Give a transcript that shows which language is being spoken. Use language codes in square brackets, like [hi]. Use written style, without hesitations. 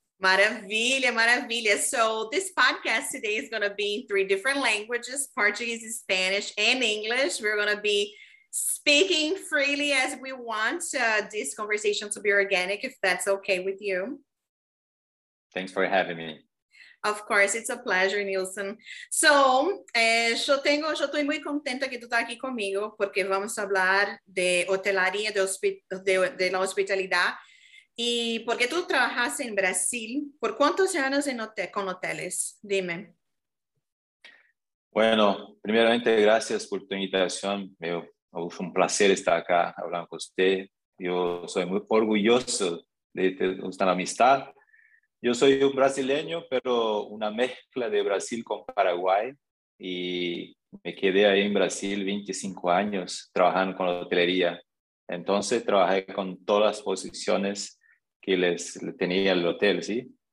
[pt] Maravilha, maravilha. [en] So this podcast today is going to be in three different languages, Portuguese, Spanish, and English. We're going to be speaking freely as we want this conversation to be organic, if that's okay with you. Thanks for having me. Of course, it's a pleasure, Nilson. [pt] So, eu tô muito contenta que tu tá aqui comigo, porque vamos falar de hotelaria, de la hospitalidade. E porque tu trabalhaste em Brasil, por quantos anos com hoteles? [es] Dime. Bueno, primeiramente, gracias por tu invitação. [pt] Meu, foi um prazer estar aqui falando com você. Eu sou muito orgulhoso de ter esta amizade. [es] Yo soy un brasileño, pero una mezcla de Brasil con Paraguay. Y me quedé ahí en Brasil 25 años trabajando con la hotelería. Entonces trabajé con todas las posiciones que les tenía el hotel, ¿sí?